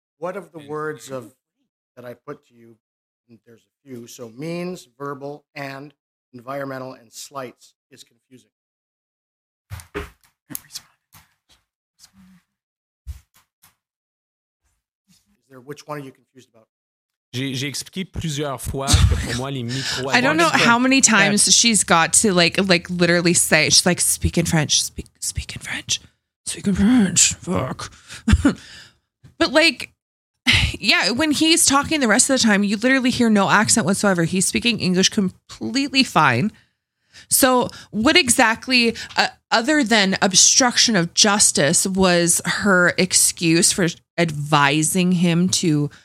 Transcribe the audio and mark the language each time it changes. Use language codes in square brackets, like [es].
[en] What of the words of that I put to you, and there's a few, so means, verbal, and environmental, and slights is confusing. Is there, which one are you confused about? [fr] J'ai expliqué plusieurs fois que pour moi, les micros... [en] I don't know how many times she's got to like literally say, she's like, speak in French. Fuck. But like, yeah, when he's talking the rest of the time, you literally hear no accent whatsoever. He's speaking English completely fine. So what exactly, other than obstruction of justice, was her excuse for advising him to...